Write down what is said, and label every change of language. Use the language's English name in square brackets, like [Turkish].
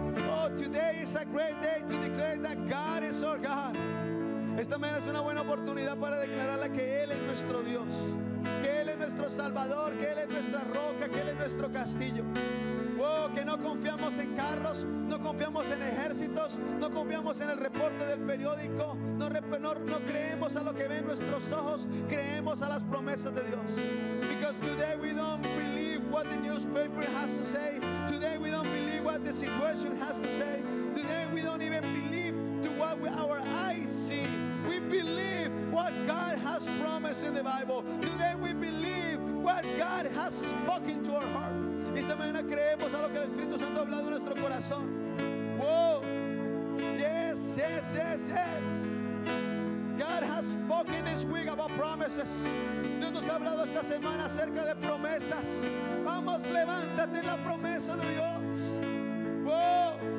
[English] Oh, today is a great day to declare that God is our God. [Spanish] Esta mañana es una buena oportunidad para declararle que Él es nuestro Dios, que Él es nuestro Salvador, que Él es nuestra roca, que Él es nuestro castillo. Oh, que no confiamos en carros, no confiamos en ejércitos, no confiamos en el reporte del periódico, no creemos a lo que ven nuestros ojos, creemos a las promesas de Dios. [English] Because today we don't believe what the newspaper has to say. Today we don't believe what the situation has to say. Today we don't even believe what our eyes see. We believe what God has promised in the Bible. Today we believe what God has spoken to our heart. [Spanish] Esta mañana creemos a lo que el Espíritu Santo ha hablado en nuestro corazón. Wow. [English] Yes, yes, yes, yes. God has spoken this week about promises. [Spanish] Dios nos ha hablado esta semana acerca de promesas. Vamos, levántate en la promesa de Dios. Wow.